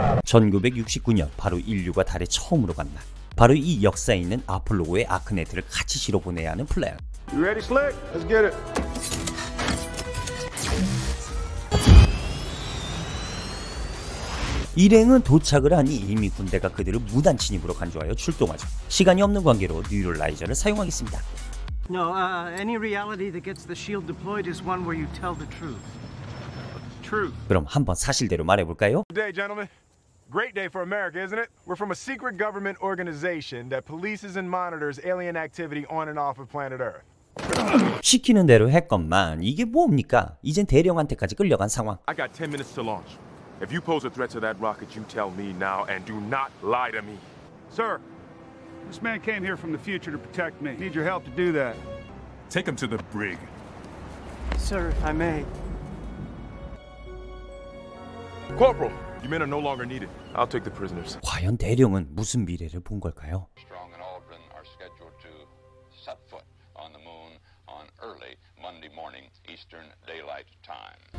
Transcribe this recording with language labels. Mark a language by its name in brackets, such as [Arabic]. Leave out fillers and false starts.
[Korean] 1969년 바로 인류가 달에 처음으로 간 날. 바로 이 역사에 있는 아폴로호의 아크네트를 같이 실어 보내야 하는 플랜. [English] You ready, Slick? Let's get it. [Korean] 일행은 도착을 하니 이미 군대가 그들을 무단 침입으로 간주하여 출동하죠. 시간이 없는 관계로 뉴럴라이저를 사용하겠습니다. [English] No, any reality that gets the shield deployed is one where you tell the truth. Truth. [Korean] 그럼 한번 사실대로 말해 볼까요? [English] Today, gentlemen. Great day for America, isn't it? We're from a secret government organization that polices and monitors alien activity on and off of planet Earth. [Korean] 시키는 대로 했건만 이게 뭡니까? 이젠 대령한테까지 끌려간 상황. [English] I got 10 minutes to launch. If you pose a threat to that rocket, you tell me now and do not lie to me. Sir, this man came here from the future to protect me. Need your help to do that. Take him to the brig. Sir, if I may. Corporal, you men are no longer needed. I'll take the prisoners. [Korean] 과연 대령은 무슨 미래를 본 걸까요? [English] Strong and Aldrin are scheduled to set foot on the moon on early Monday morning Eastern Daylight Time.